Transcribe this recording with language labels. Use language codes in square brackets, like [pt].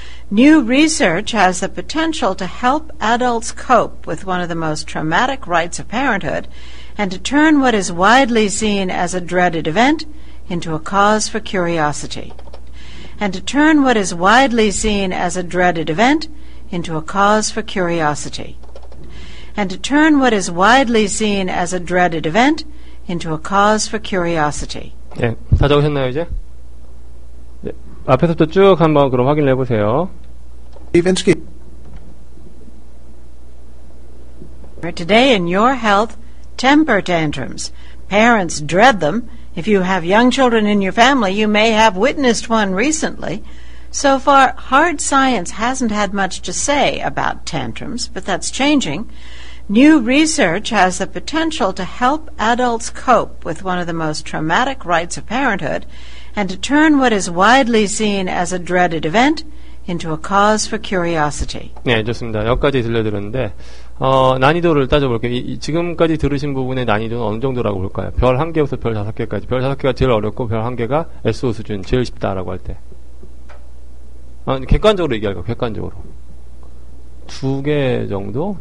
[en] New research has the potential to help adults cope with one of the most traumatic rites of parenthood and to turn what is widely seen as a dreaded event into a cause for curiosity. And to turn what is widely seen as a dreaded event into a cause for curiosity. And to turn what is widely seen as a dreaded event into a cause for curiosity. [ko] 네, 다 적으셨나요, 이제? 네, 앞에서부터 쭉 한번 그럼 확인을 해보세요. [en] Today in your health, temper tantrums. Parents dread them. If you have young children in your family, you may have witnessed one recently. So far, hard science hasn't had much to say about tantrums, but that's changing. New research has the potential to help adults cope with one of the most traumatic rites of parenthood and to turn what is widely seen as a dreaded event into a cause for curiosity. [ko] 네, 좋습니다. 여기까지 들려드렸는데 난이도를 따져볼게요. 지금까지 들으신 부분의 난이도는 어느 정도라고 볼까요? 별 1개부터 별 5개까지. 별 5개가 제일 어렵고 별 1개가 SO 수준 제일 쉽다라고 할 때. 아니, 객관적으로 얘기할까? 객관적으로 2개 정도?